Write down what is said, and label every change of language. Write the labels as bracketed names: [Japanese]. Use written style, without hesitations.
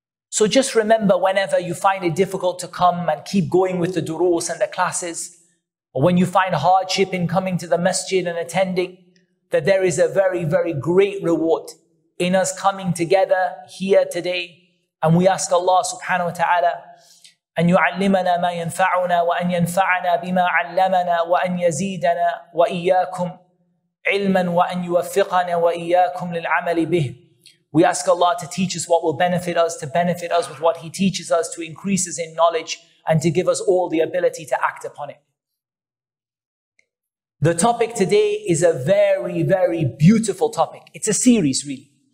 [English] So just remember, whenever you find it difficult to come and keep going with the durus and the classes, or when you find hardship in coming to the masjid and attending, that there is a very, very great reward in us coming together here today. And we ask Allah subhanahu wa ta'ala, [Arabic] أن يعلمنا ما ينفعنا وأن ينفعنا بما علمنا وأن يزيدنا وإياكم علما وأن يوفقنا وإياكم للعمل به. [English] We ask Allah to teach us what will benefit us, to benefit us with what He teaches us, to increase us in knowledge, and to give us all the ability to act upon it. The topic today is a very, very beautiful topic. It's a series, really.